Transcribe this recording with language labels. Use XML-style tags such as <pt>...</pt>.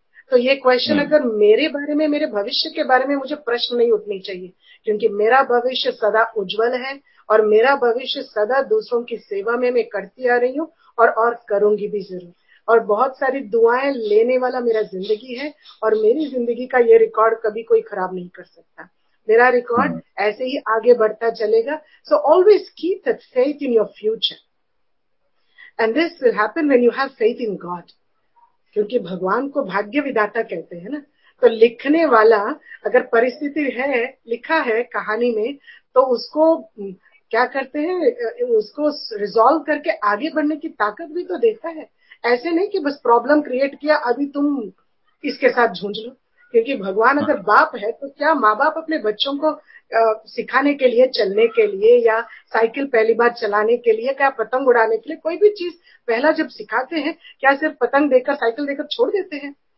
<hi>तो ये क्वेश्चन अगर मेरे बारे में, मेरे भविष्य के बारे में मुझे प्रश्न नहीं उठनी चाहिए, क्योंकि मेरा भविष्य सदा उज्जवल है, और मेरा भविष्य सदा दूसरों की सेवा में मैं करती आ रही हूँ, और करूंगी भी जरूर, और बहुत सारी दुआएं लेने वाला मेरा जिंदगी है, और मेरी जिंदगी का ये रिकॉर्ड कभी कोई खराब नहीं कर सकता, मेरा रिकॉर्ड ऐसे ही आगे बढ़ता चलेगा.</hi> <en>So always keep that faith in your future. And this will happen when you have faith in God.</en> <hi>क्योंकि भगवान को भाग्य विधाता कहते हैं ना, तो लिखने वाला अगर परिस्थिति है, लिखा है कहानी में, तो उसको क्या करते हैं, उसको रिजॉल्व करके आगे बढ़ने की ताकत भी तो देता है। ऐसे नहीं कि बस प्रॉब्लम क्रिएट किया, अभी तुम इसके साथ झूंझ लो, क्योंकि भगवान अगर बाप है तो क्या माँ बाप अपने बच्चों को सिखाने के लिए, चलने के लिए या साइकिल पहली बार चलाने के लिए, क्या पतंग उड़ाने के लिए, कोई भी चीज पहला जब सिखाते हैं, क्या सिर्फ पतंग देकर साइकिल देकर छोड़ देते हैं?</hi>